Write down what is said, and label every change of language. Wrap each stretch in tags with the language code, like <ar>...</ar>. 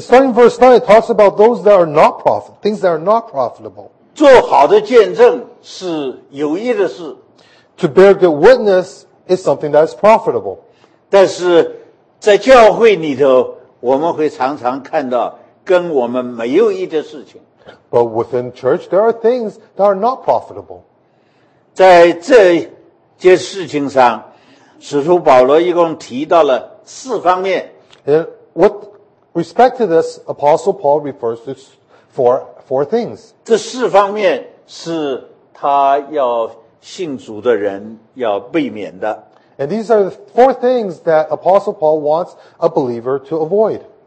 <en>starting verse 9, it talks about those that are not profitable, things that are not profitable.</en> <zh>做好的见证是有益的事。</zh> <en>To bear good witness is something that is profitable.</en> <zh>但是在教会里头我们会常常看到 跟我们没有益的事情。</zh> <en>But within church, there are things that are not profitable.</en> <zh>在这件事情上, 使徒保罗一共提到了四方面。</zh> <en>With respect to this, Apostle Paul refers to four things.</en> <zh>这四方面是他要信主的人要避免的。</zh> <en>And these are the four things that Apostle Paul wants a believer to avoid.</en>